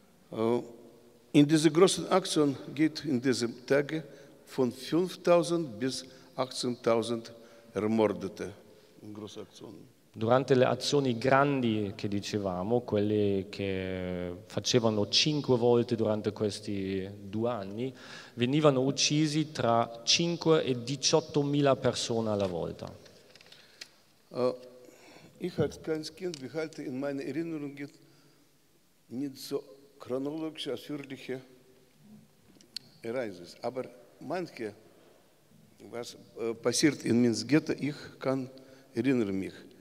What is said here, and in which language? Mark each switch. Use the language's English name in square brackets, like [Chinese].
[German] In diese großen Aktion geht in diesem Tage von 5.000 bis 18.000 ermordete. In große Aktion. [Italian] Durante le azioni grandi che dicevamo, quelle che facevano 5 volte durante questi 2 anni, venivano uccisi tra 5 e 18.000 persone alla volta. [German] Ich als kleines Kind behalte in meine Erinnerung nicht so chronologische, ausführliche Ereignisse, aber manche was passiert in Minsk geht, ich kann erinnere mich.